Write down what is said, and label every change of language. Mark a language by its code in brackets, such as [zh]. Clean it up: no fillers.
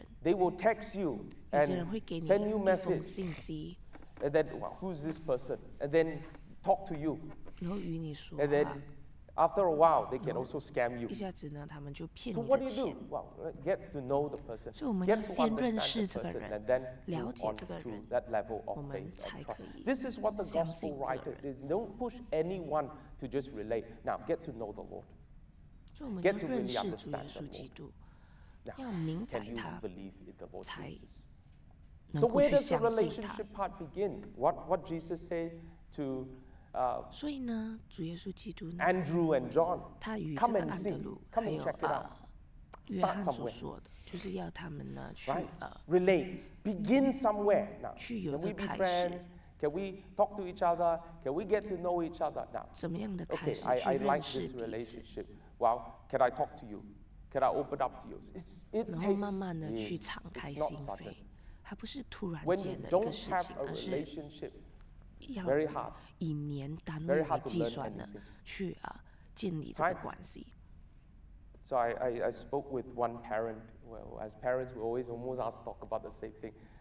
[en] They will text you and send you messages and then, well, who's this person? And then talk to you. And then after a while, they can also scam you. [zh] 一下子呢，他们就骗你的钱。 [en] So what do you do? Well, get to know the person. [zh] 所以我们要先认识这个人，了解这个人， [en] that level of [zh] 我们才可以。 [en] This is what the gospel writer is. Don't push anyone to just relate. Now get to know the Lord. [zh] 所以我们要认识主耶稣基督，要明白他，才能够去相信他。 [en] So where does the relationship part begin? What Jesus say to [zh] 所以呢，主耶稣基督呢， [en] Andrew and John, [zh] 他与这个安德鲁还有约翰所说的，就是要他们呢去 [en] relate, begin somewhere now. [zh] 去有一个开始。 [en] Can we be friends? Can we talk to each other? Can we get to know each other now? [zh] 怎么样的开始去认识彼此？ [en] Well, can I talk to you? Can I open up to you? It takes [zh] 然后慢慢的去敞开心扉，它不是突然间的一个事情，而是。要以年单位来计算的，去建立这个关系。 [en] So I spoke with one parent. Well, as parents, we always almost ask talk about the same thing.